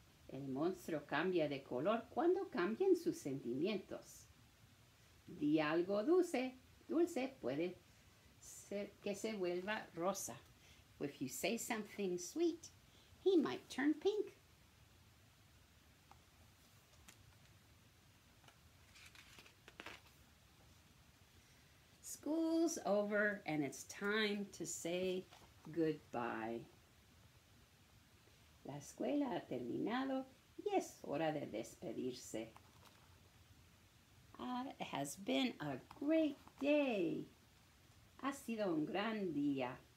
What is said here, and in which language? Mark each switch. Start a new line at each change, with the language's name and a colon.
Spanish: El monstruo cambia de color cuando cambian sus sentimientos. Di algo dulce, dulce puede ser que se vuelva rosa.
English: If you say something sweet, he might turn pink. School's over and it's time to say goodbye.
Spanish: La escuela ha terminado y es hora de despedirse.
English: It has been a great day.
Spanish: Ha sido un gran día.